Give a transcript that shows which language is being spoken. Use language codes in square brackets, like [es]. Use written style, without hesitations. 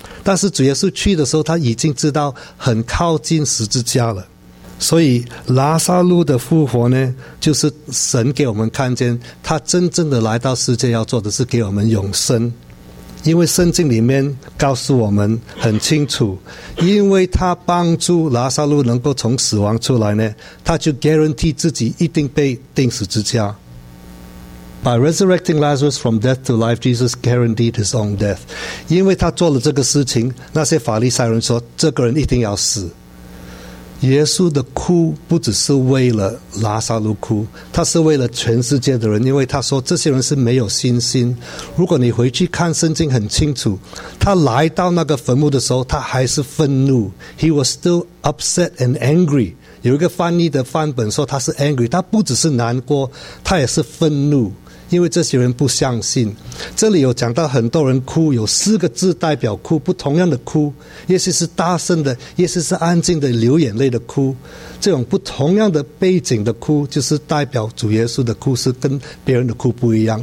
[zh] 但是主耶稣去的时候他已经知道很靠近十字架了，所以拉撒路的复活呢，就是神给我们看见他真正的来到世界要做的是给我们永生。因为圣经里面告诉我们很清楚，因为他帮助拉撒路能够从死亡出来呢，他就 guarantee 自己一定被钉十字架。 [en] By resurrecting Lazarus from death to life, Jesus guaranteed his own death. [zh] 因为他做了这个事情，那些法利赛人说，这个人一定要死。耶稣的哭不只是为了拉撒路哭，他是为了全世界的人，因为他说这些人是没有信心。如果你回去看圣经很清楚，他来到那个坟墓的时候，他还是愤怒。 [en] He was still upset and angry. [zh] 有一个翻译的翻本说他是 angry， 他不只是难过，他也是愤怒，因为这些人不相信。这里有讲到很多人哭，有四个字代表哭，不同样的哭，也许是大声的，也许是安静的流眼泪的哭。这种不同样的背景的哭，就是代表主耶稣的哭是跟别人的哭不一样。